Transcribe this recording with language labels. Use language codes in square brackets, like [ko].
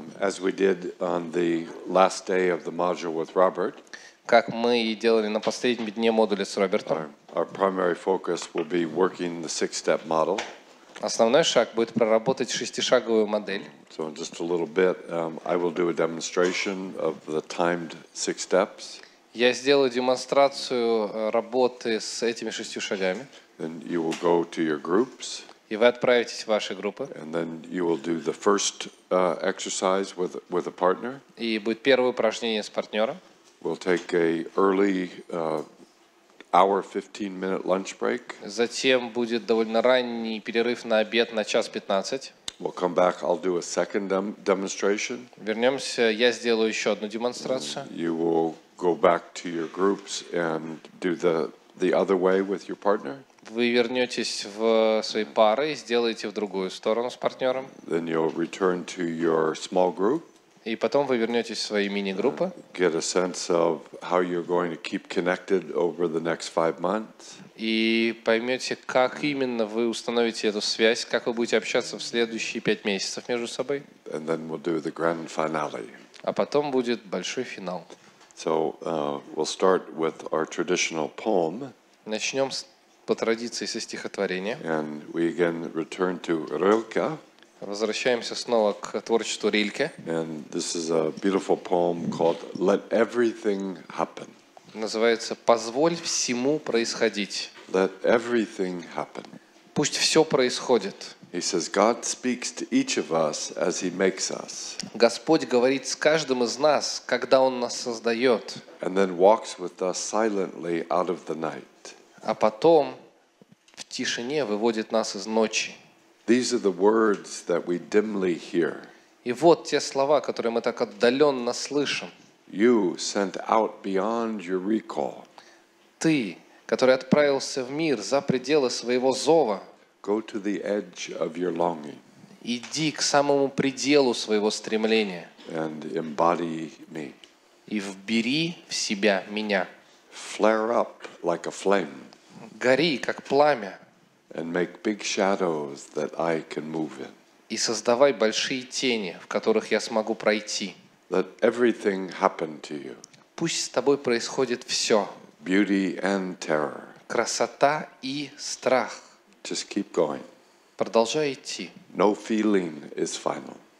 [en] As we did on the last day of the module with Robert. [ru] Как мы и делали на последнем дне модуля с Робертом. [en] Our primary focus will be working the six-step model. [ru] Основной шаг будет проработать шестишаговую модель. [en] So in just a little bit, I will do a demonstration of the timed six steps. [ru] Я сделаю демонстрацию работы с этими шестью шагами. [en] Then you will go to your groups. [ru] И вы отправитесь в ваши группы. [en] And then you will do the first exercise with a partner. [ru] И будет первое упражнение с партнером. [en] We'll take a early hour 15-minute lunch break. [ru] Затем будет довольно ранний перерыв на обед на час 15. [en] We'll come back. I'll do a second demonstration. [ru] Вернемся, я сделаю еще одну демонстрацию. [en] You will go back to your groups and do the other way with your partner. [ru] Вы вернетесь в свои пары и сделаете в другую сторону с партнером. [en] Then you'll return to your small group. [ru] И потом вы вернетесь в свои мини-группы. [en] Get a sense of how you're going to keep connected over the next 5 months. [ru] И поймете, как именно вы установите эту связь, как вы будете общаться в следующие 5 месяцев между собой. [en] And then we'll do the grand finale. [ru] А потом будет большой финал. [en] So we'll start with our traditional poem. [ru] Начнем с по традиции со стихотворения. [en] And we again return to Rilke. [ru] Возвращаемся снова к творчеству Рильке. [en] And this is a beautiful poem called "Let Everything Happen". [ru] Называется «Позволь всему происходить». [en] Let everything happen. [ru] Пусть все происходит. [en] He says, God speaks to each of us as He makes us. [ru] Господь говорит с каждым из нас, когда Он нас создает. [en] And then walks with us silently out of the night. [ru] А потом в тишине выводит нас из ночи. [en] These are the words that we dimly hear. [ru] И вот те слова, которые мы так отдаленно слышим. [en] You sent out beyond your recall. [ru] Ты, который отправился в мир за пределы своего зова. [en] Go to the edge of your longing. [ru] Иди к самому пределу своего стремления. [en] And embody me. [ru] И вбери в себя меня. [en] Flare up like a flame. [ru] Гори, как пламя. [en] And make big shadows that I can move in. [ru] И создавай большие тени, в которых я смогу пройти. [en] Let everything happen to you. [ru] Пусть с тобой происходит все. [en] Beauty and terror. [ru] Красота и страх. [en] Just keep going. [ru] Продолжай идти. [en] No feeling is final.